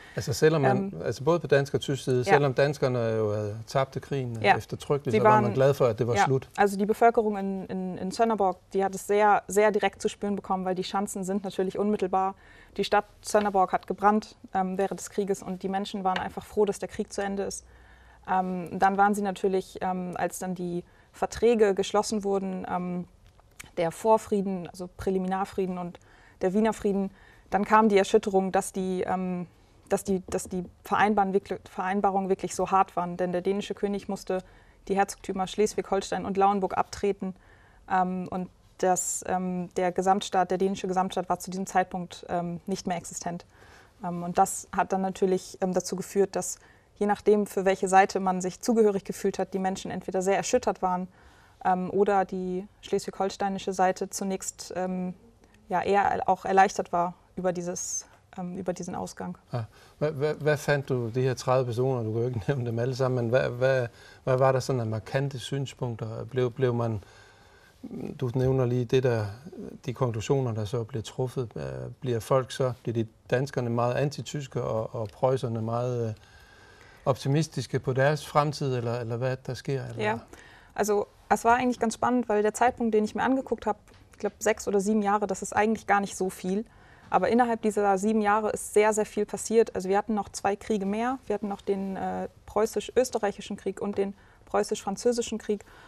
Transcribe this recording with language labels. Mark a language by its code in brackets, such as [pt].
[da] Also både på dansk og tysk side, selvom danskerne jo tabte krigen eftertrykkeligt, så [de] waren, [da] var man glad for, at det var slut. [de] Also die Bevölkerung in Sønderborg, die hat es sehr, sehr direkt zu spüren bekommen, weil die Schanzen sind natürlich unmittelbar. Die Stadt Sønderborg hat gebrannt während des Krieges und die Menschen waren einfach froh, dass der Krieg zu Ende ist. Dann waren sie natürlich, als dann die Verträge geschlossen wurden, der Vorfrieden, also Präliminarfrieden und der Wiener Frieden, dann kam die Erschütterung, dass die Vereinbarungen wirklich so hart waren, denn der dänische König musste die Herzogtümer Schleswig-Holstein und Lauenburg abtreten und der Gesamtstaat, der dänische Gesamtstaat war zu diesem Zeitpunkt nicht mehr existent. Und das hat dann natürlich dazu geführt, dass je nachdem, für welche Seite man sich zugehörig gefühlt hat, die Menschen entweder sehr erschüttert waren oder die schleswig-holsteinische Seite zunächst eher auch erleichtert war über diesen Ausgang. Ja. [da] Hvad fandt du de her 30 personer? Du kan jo ikke nævne dem alle sammen, men hvad var der sådan af markante synspunkter? Blev man, du nævner lige det der, de konklusioner, der så bliver truffet, bliver de danskerne meget antityske og preusserne meget optimistiske på deres fremtid, eller hvad der sker? [de] Ja, also es war eigentlich ganz spannend, weil der Zeitpunkt, den ich mir angeguckt habe, ich glaube 6 oder 7 Jahre, das ist eigentlich gar nicht so viel. Aber innerhalb dieser 7 Jahre ist sehr, sehr viel passiert. Also wir hatten noch 2 Kriege mehr. Wir hatten noch den preußisch-österreichischen Krieg und den preußisch-französischen Krieg.